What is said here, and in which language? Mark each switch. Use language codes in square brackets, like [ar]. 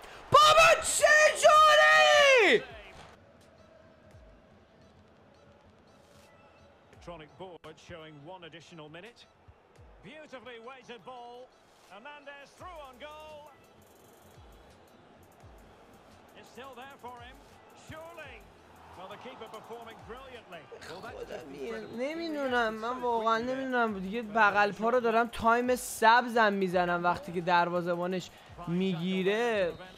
[fa] بابا چه جوری؟ [en] electronic board showing one additional minute. Beautifully weighted ball. Hernandez through on goal. It's still there for him. Surely. Well, the keeper performing brilliantly. [fa] نمیدونم، من واقعا نمیدونم دیگه، بغل پا رو دارم تایم سبزم میزنم وقتی که دروازه‌بانش میگیره.